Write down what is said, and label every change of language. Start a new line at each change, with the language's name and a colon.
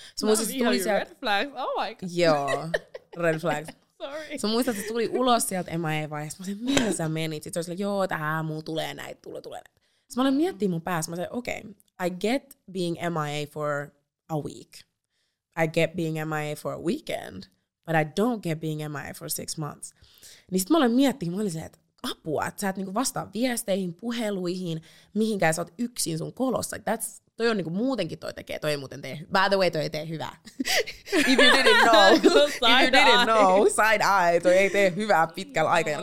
Finnish: No, muistat, tuli sieltä,
English: red flags, oh my god. Joo, red flags. Sorry.
Finnish: Sä muistat, että se tuli ulos sieltä MIA-vaiheessa. Mä olin, mihin sä menit? Sitten se oli silleen, joo, tähän muu tulee näitä, tulee näitä. Sitten mä olin miettimään mun päässä, mä sanoin, okei, okay,
English: I get being MIA for a week. I get being MIA for a weekend, but I don't get being MIA for 6 months.
Finnish: Niin sit mä olin miettimään, mä olin se, että apua, että sä et niinku vastaa viesteihin, puheluihin, mihinkään sä oot yksin sun kolossa. That's, toi on niinku muutenkin toi tekee, toi ei muuten tee,
English: by the way,
Finnish: toi ei tee hyvää.
English: If you didn't know, side eye,
Finnish: toi ei tee hyvää pitkällä aikajalla.